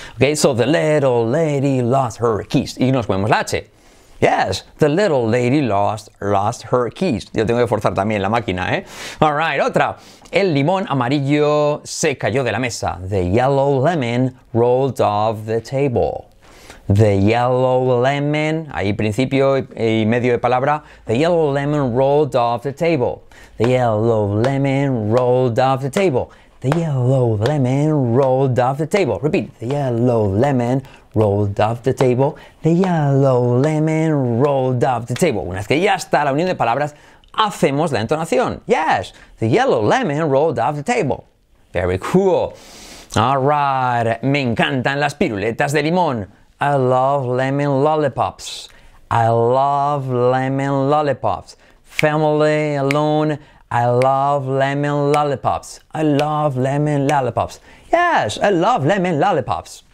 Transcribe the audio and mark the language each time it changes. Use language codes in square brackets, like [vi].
[en] Okay, so the little lady lost her keys. [es] Y nos ponemos la H. [en] Yes, the little lady lost her keys. [es] Yo tengo que forzar también la máquina, ¿eh? [en] All right, [es] otra. El limón amarillo se cayó de la mesa. [en] The yellow lemon rolled off the table. The yellow lemon, [es] ahí principio y medio de palabra. [en] The yellow lemon rolled off the table. The yellow lemon rolled off the table. The yellow lemon rolled off the table. Repeat. The yellow lemon rolled off the table. The yellow lemon rolled off the table. [es] Una vez que ya está la unión de palabras, hacemos la entonación. [en] Yes, the yellow lemon rolled off the table. Very cool. All right, [es] me encantan las piruletas de limón. [en] I love lemon lollipops. I love lemon lollipops. Family alone. I love lemon lollipops. I love lemon lollipops. Yes, I love lemon lollipops.